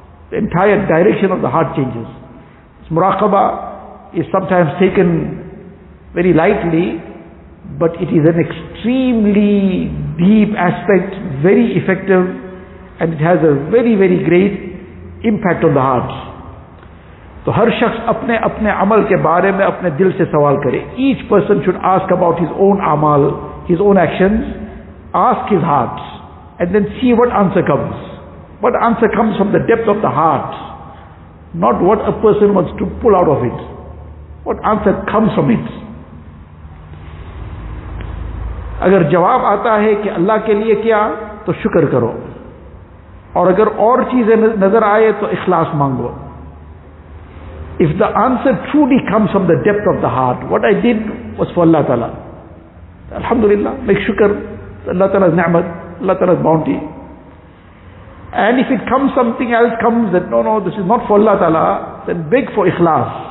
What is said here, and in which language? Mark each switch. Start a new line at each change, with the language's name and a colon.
English: The entire direction of the heart changes. This muraqabah is sometimes taken very lightly, but it is an extremely deep aspect, very effective, and it has a very, very great impact on the heart.
Urdu: تو ہر شخص اپنے عمل کے بارے میں اپنے دل سے سوال کرے.
English: Each person should ask about his own amal, his own actions. Ask his heart and then see what answer comes. What answer comes from the depth of the heart, not what a person wants to pull out of it. What answer comes from it.
Urdu: اگر جواب آتا ہے کہ اللہ کے لیے کیا تو شکر کرو, اور اگر اور چیزیں نظر آئے تو اخلاص مانگو.
English: If the answer truly comes from the depth of the heart, what I did was for Allah Ta'ala. Alhamdulillah, make shukr, Allah Ta'ala's ni'mat, Allah Ta'ala's bounty. And if it comes, something else comes that no, this is not for Allah Ta'ala, then beg for ikhlas.